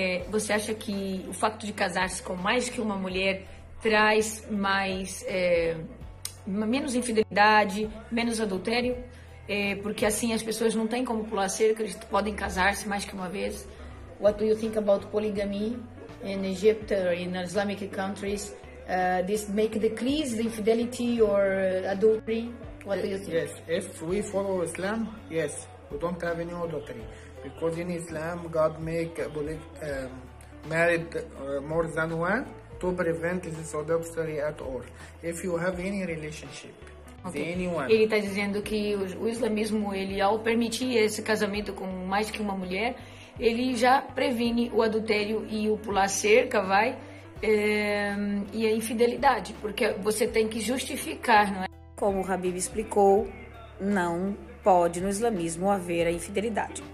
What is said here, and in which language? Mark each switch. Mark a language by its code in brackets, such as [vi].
[pt] Você acha que o fato de casar-se com mais que uma mulher traz mais menos infidelidade, menos adultério? Porque assim as pessoas não têm como pular cerca, eles podem casar-se mais que uma vez. [en] What do you think about polygamy? in Egypt or in Islamic countries, this make decrease the infidelity or adultery? What do you think? Yes, if we follow Islam, yes, we don't have any adultery. Because in Islam, God make married more than one to prevent this adultery at all. If you have any relationship, okay. [pt] Ele está dizendo que o islamismo, ele, ao permitir esse casamento com mais que uma mulher, ele já previne o adultério e o pular cerca, vai, e a infidelidade, porque você tem que justificar, não é? Como o Habib explicou, não pode no islamismo haver a infidelidade.